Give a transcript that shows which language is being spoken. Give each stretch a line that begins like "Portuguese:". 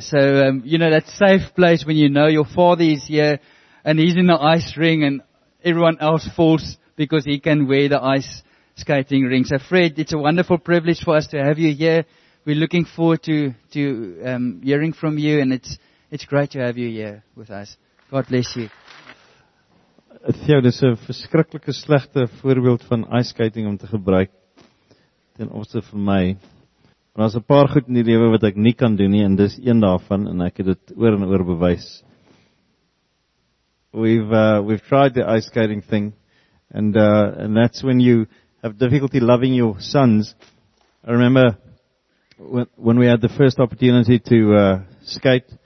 English: So, you know, that safe place when you know your father is here and he's in the ice ring and everyone else falls because he can wear the ice skating ring. So Fred, it's a wonderful privilege for us to have you here. We're looking forward to hearing from you, and it's great to have you here with us. God bless you.
Afrikaans: Theo, dis 'n verskriklike slegte voorbeeld van ice skating om te gebruik ten opsigte van my. Maar daar's 'n paar goed in die lewe wat ek nie kan doen nie, en dis een daarvan, en ek het dit oor en oor bewys.
English: We've tried the ice skating thing, and that's when you have difficulty loving your sons. I remember when we had the first opportunity to skate.